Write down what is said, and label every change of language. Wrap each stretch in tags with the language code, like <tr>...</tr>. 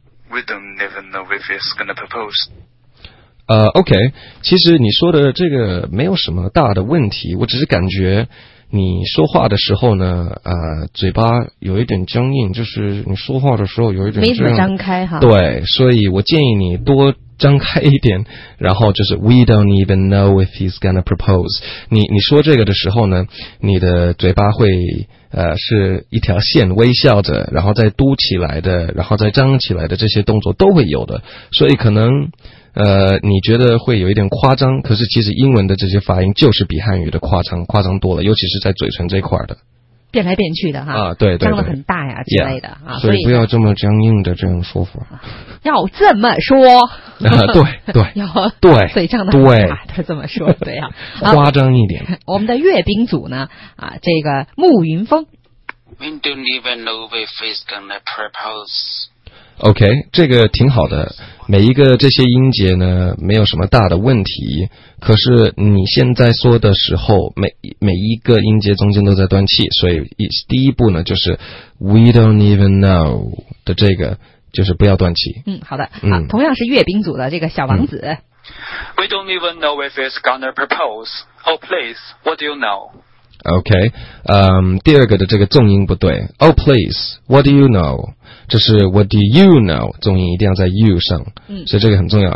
<en>We don't even know if he's gonna propose</en> <zh>OK， 其实你说的这个没有什么大的问题，我只是感觉你说话的时候呢，嘴巴有一点僵硬，就是你说话的时候有一点没怎么张开哈。对，所以我建议你多张开一点，然后就是</zh> <en>We don't even know if he's gonna propose。</en> <zh>你说这个的时候呢，你的嘴巴会是一条线微笑着，然后再嘟起来的，然后再张起来的，这些动作都会有的，所以可能。你觉得会有一点夸张，可是其实英文的这些发音就是比汉语的夸张多了，尤其是在嘴唇这块的变来变去的哈，啊，对，张得很大呀之类的 yeah, 啊，所以不要这么僵硬的这种说法，要这么说，对，要对，所以张得很大，他这么说，对呀、啊，夸张一点。我们的阅兵组呢，啊，这个慕云峰</zh> <en>，We don't even know if he's gonna propose。</en> <zh>OK， 这个挺好的，每一个这些音节呢没有什么大的问题，可是你现在说的时候每一个音节中间都在断气，所以第一步呢就是</zh> <en>We don't even know</en> <zh>的这个就是不要断气。嗯，好的，好，同样是阅兵组的这个小王子、嗯、</zh> <en>We don't even know if it's gonna propose Oh please, what do you know?</en> <zh>OK， 第二个的这个重音不对。</zh> <en>Oh please, what do you know？</en> <zh>这是</zh> <en>what do you know？</en> <zh>重音一定要在 you 上，所以这个很重要。</zh>